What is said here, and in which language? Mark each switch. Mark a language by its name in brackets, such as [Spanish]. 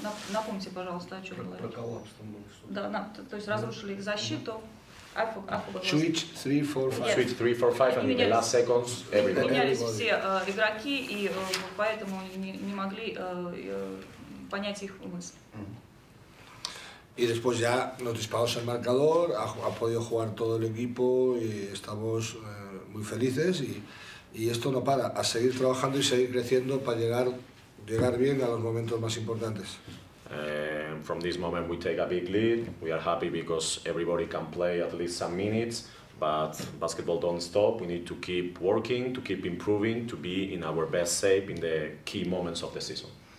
[Russian] Напомните, пожалуйста, о чем говорили. Про коллапс там был. Да, то есть разрушили их защиту. [English] Switch 3, 4, 5. Switch 3, 4, 5, and in the last seconds, everybody. [Russian] Менялись все игроки, и поэтому не могли понять их мысли. [Spanish] Y después ya nos disparamos el marcador, ha podido jugar todo el equipo y estamos muy felices y esto no para, a seguir trabajando y seguir creciendo para llegar bien a los momentos más importantes. [English] From this moment we take a big lead, we are happy because everybody can play at least some minutes, but basketball don't stop, we need to keep working, to keep improving, to be in our best shape in the key moments of the season.